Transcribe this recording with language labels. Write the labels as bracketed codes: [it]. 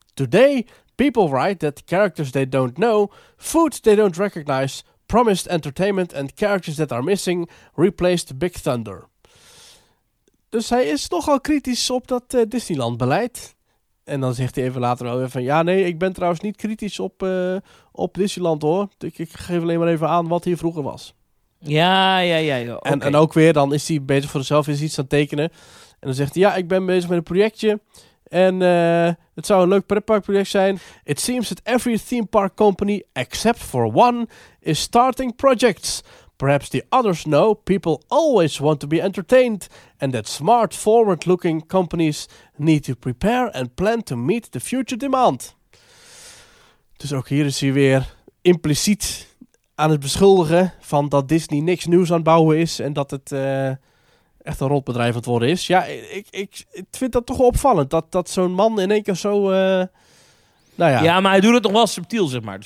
[en] Today, people write that characters they don't know, food they don't recognize, promised entertainment and characters that are missing, replaced Big Thunder. [nl] Dus hij is nogal kritisch op dat Disneyland-beleid. En dan zegt hij even later wel weer van... Ja, nee, ik ben trouwens niet kritisch op Disneyland, hoor. Ik geef alleen maar even aan wat hier vroeger was. Ja, ja, ja. Okay. En ook weer, dan is hij bezig voor zichzelf, is iets aan het tekenen. En dan zegt hij, ja, ik ben bezig met een projectje. En het zou een leuk pretparkproject zijn. [en] It seems that every theme park company, except for one, is starting projects... Perhaps the others know people always want to be entertained and that smart, forward-looking companies need to prepare and plan to meet the future demand. [nl] Dus ook hier is hij weer impliciet aan het beschuldigen van dat Disney niks nieuws aan het bouwen is en dat het echt een rotbedrijf aan het worden is. Ja, ik vind dat toch opvallend dat zo'n man in één keer zo... nou ja. Ja, maar hij doet het nog wel subtiel, zeg maar. Dus